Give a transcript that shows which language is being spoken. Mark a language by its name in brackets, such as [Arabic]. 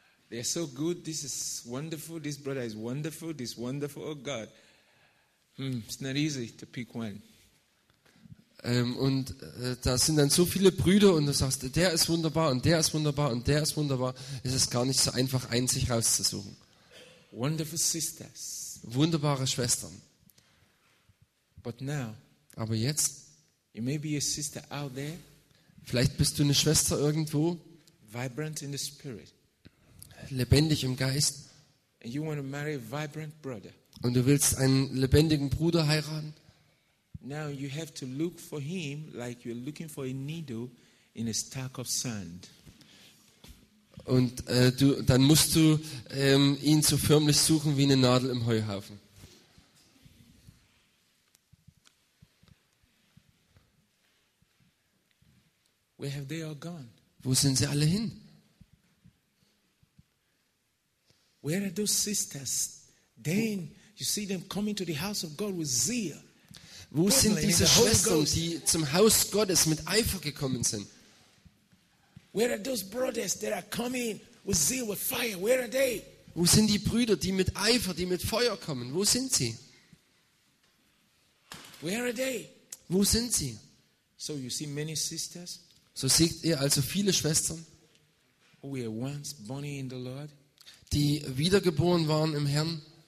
[English] They are so good, this is wonderful, this brother is wonderful, this wonderful, oh God. It's not easy to pick one. [German] Und da sind dann so viele Brüder und du sagst, der ist wunderbar und der ist wunderbar und der ist wunderbar. Es ist gar nicht so einfach, einen sich rauszusuchen. [English] Wonderful sisters. [German] Wunderbare Schwestern. [English] But now, [German] aber jetzt, [English] you may be a sister out there, [German] vielleicht bist du eine Schwester irgendwo, [English] vibrant in the spirit. [German] Lebendig im Geist. [English] And you want to marry a vibrant brother. [German] Und du willst einen lebendigen Bruder heiraten. [English] Now you have to look for him like you're looking for a needle in a stack of sand. [German] Und dann musst du ihn so förmlich suchen wie eine Nadel im Heuhaufen. [English] Where have they all gone? [German] Wo sind sie alle hin? [English] Where are those sisters? Then you see them coming to the house of God with zeal. [German] Wo sind diese Schwestern, die zum Haus Gottes mit Eifer gekommen sind? [English] Where are those brothers that are coming with zeal, with fire? Where are they? [German] Wo sind die Brüder, die mit Eifer, die mit Feuer kommen? Wo sind sie? [English] Where are they? [German] Wo sind sie? [English] So you see many sisters. [German] So seht ihr also viele Schwestern. [English] Who were once born in the Lord. [German] Die wiedergeboren waren im Herrn.